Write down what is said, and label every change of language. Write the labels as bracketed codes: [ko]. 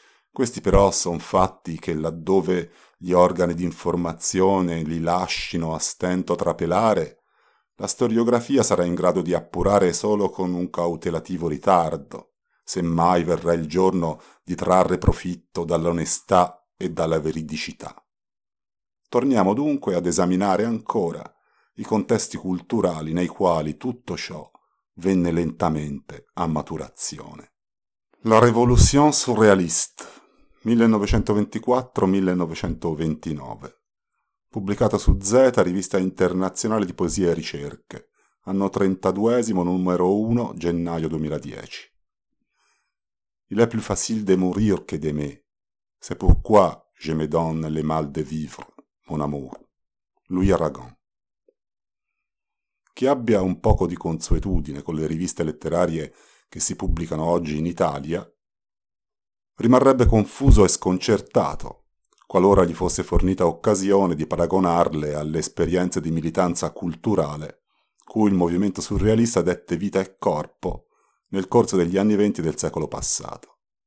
[it] Questi però sono fatti che laddove gli organi di informazione li lascino a stento trapelare, la storiografia sarà in grado di appurare solo con un cautelativo ritardo, semmai verrà il giorno di trarre profitto dall'onestà e dalla veridicità. Torniamo dunque ad esaminare ancora i contesti culturali nei quali tutto ciò venne lentamente a maturazione. [fr] La Révolution surréaliste. 1924-1929. [it] Pubblicata su Zeta, rivista internazionale di poesie e ricerche, anno 32, numero 1, gennaio 2010. [fr] Il est plus facile de mourir que d'aimer, c'est pourquoi je me donne le mal de vivre, mon amour. Louis Aragon. [it] Chi abbia un poco di consuetudine con le riviste letterarie che si pubblicano oggi in Italia, rimarrebbe confuso e sconcertato qualora gli fosse fornita occasione di paragonarle alle esperienze di militanza culturale cui il movimento surrealista dette vita e corpo nel corso degli anni venti del secolo passato.